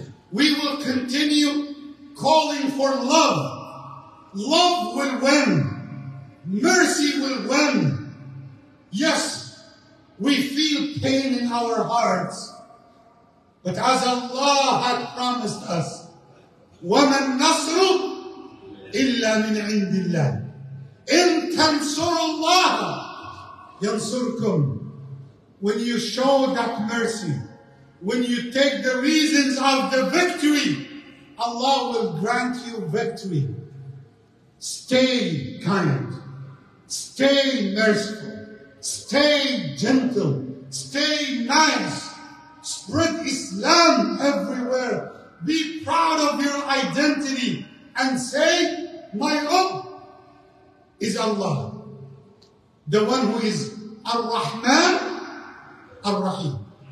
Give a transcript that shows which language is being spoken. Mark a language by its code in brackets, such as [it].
[en] We will continue calling for love. Love will win. Mercy will win. Yes, we feel pain in our hearts. But as Allah had promised us, [ar] وما النصر إلا من عند الله إن تنصروا الله ينصركم. [en] When you show that mercy, when you take the reasons of the victory, Allah will grant you victory. Stay kind, stay merciful, stay gentle, stay nice, spread Islam everywhere, be proud of your identity and say, my Rabb is Allah, the one who is Ar-Rahman, Ar-Rahim.